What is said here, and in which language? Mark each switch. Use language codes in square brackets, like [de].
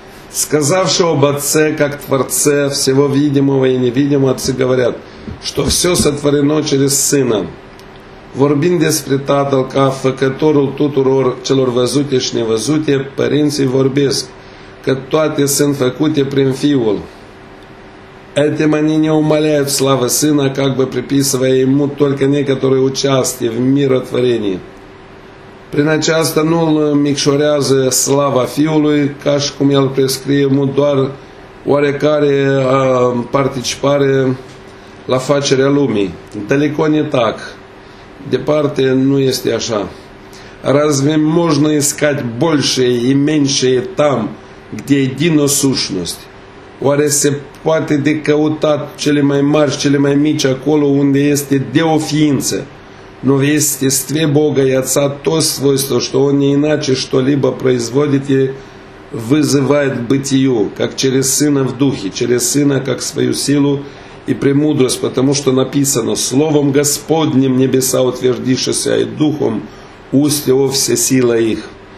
[ru] Сказавши об Отце, как Творце всего видимого и невидимого, отцы говорят, что все сотворено через Сына. [ro] Vorbind despre Tatăl ca făcătorul tuturor celor văzute și nevăzute, părinții vorbesc că toate sunt făcute prin Fiul. [ru] Этим они не умаляют славы Сына, как бы приписывая Ему только некоторые участия в миротворении. [ro] Prin aceasta nu îl micșorează slava Fiului, ca și cum El prescrie Ему doar oarecare participare la facerea lumii. [ru] Далеко не так. [ro] Departe nu este așa. [ru] Разве можно искать больше и меньше там, где едино сущность? [ro] Oare se poate de căutat cele mai mari și cele mai mici acolo unde este deoființă? [ru] Но в естестве Бога и Отца то свойство, что Он не иначе что-либо производит и вызывает бытию, как через Сына в Духе, через Сына как свою силу и премудрость, потому что написано «Словом Господним небеса утвердившися, и Духом усть Его все сила их».